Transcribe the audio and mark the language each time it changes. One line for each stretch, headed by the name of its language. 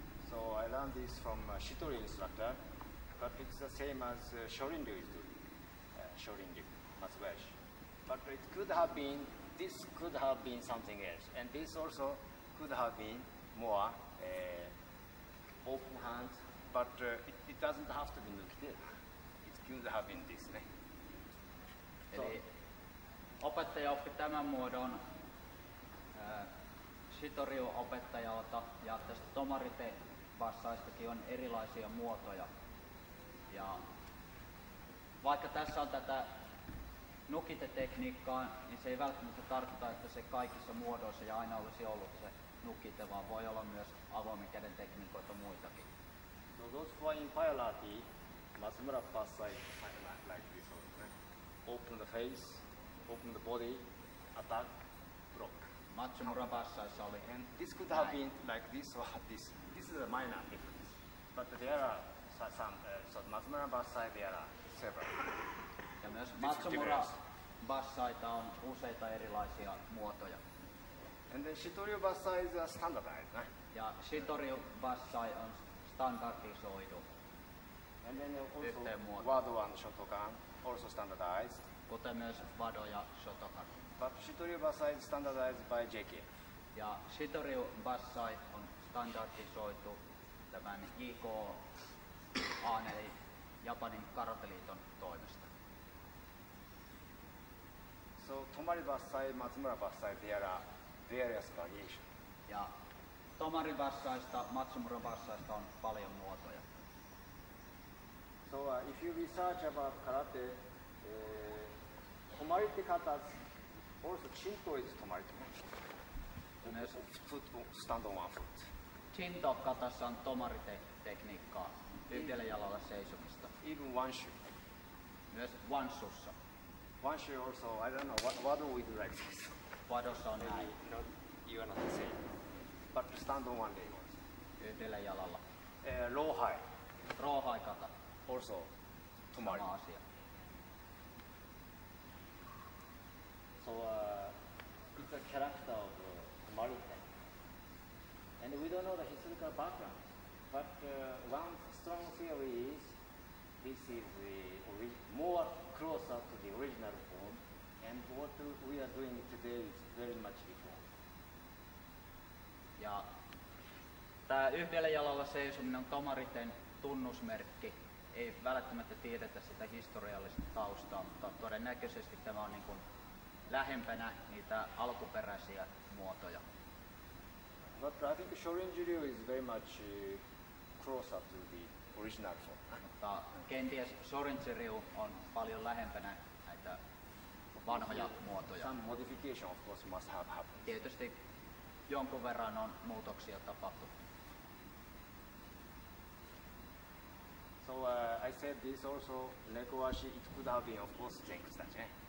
English: So I learned this from Shitori instructor, but it's the same as Shorinryu is doing. Shorinryu, Matsubayashi. But it could have been, this could have been something else. And this also could have been more open hand, but it doesn't have to be nukite. It could have been this.
Finnish: Eli opettaja oppi tämän muodon Shitoriun opettajalta, ja tästä tomarite passaistakin on erilaisia muotoja. Ja vaikka tässä on tätä nukite-tekniikkaa, niin se ei välttämättä tarkoita, että se kaikissa muodoissa ja aina olisi ollut se nukite, vaan voi olla myös avoimen käden tekniikoita muitakin.
English: No those who are in Pajalati, Matsumura passai, like this one, right? Open the face, open the body, attack, block.
Finnish: Matsumura passaissa oli.
English: And this could have been like this or this. This is a minor difference. But there are some, so Matsumura passai, there are several.
Finnish: Ja myös Matsumura bassaita on useita erilaisia muotoja.
English: And then Shitoryu bassai is a standardized, right?
Finnish: Ja Shitoryu bassai on standardisoitu.
English: And then also Wado and Shotokan, also standardized.
Finnish: Kuten myös Wado ja Shotokan.
English: But Shitoryu bassai is standardized by JKF.
Finnish: Ja Shitoryu bassai on standardisoitu tämän JKA, eli Japanin Karateliiton toimesta.
English: So Tomari Bassai, Matsumura Bassai, there are various variations.
Finnish: Ja Tomari Bassaista, Matsumura Bassaista on paljon muotoja.
English: So if you research about karate, Tomarite katas, also Chinto is Tomarite.
Finnish: Myös
English: foot, stand on one foot.
Finnish: Chinto katassa on Tomarite tekniikkaa, yhdellä jalalla seisomista.
English: Even one shoe.
Finnish: Myös one shoe.
English: One shoe also, I don't know, what do we do like this?
Finnish: Wado on näin.
English: No, you are not the same. But stand on one leg also.
Finnish: Yhdellä jalalla.
Japanese: Rohai.
Finnish: Rohai kata.
English: Also, tomari.
Finnish: Sama asia.
English: So, it's a character of tomari. And we don't know the historical background. But one strong theory is, this is more closer to the original form, and what we are doing today is very much different.
Finnish: Ja tämä yhdellä jalalla seisominen on tomariten tunnusmerkki. Ei välttämättä tiedetä sitä historiallista taustaa, mutta todennäköisesti tämä on niin kuin lähempänä niitä alkuperäisiä muotoja.
English: But I think Shorinryu is very much closer to the original form.
Finnish: Mutta kenties Shorinryu on paljon lähempänä näitä vanhoja muotoja.
English: Some modification of course must have happened.
Finnish: Tietysti jonkun verran on muutoksia tapahtunut.
English: So I said this also, Nekoashi, it could have been of course Zenkutsudachi.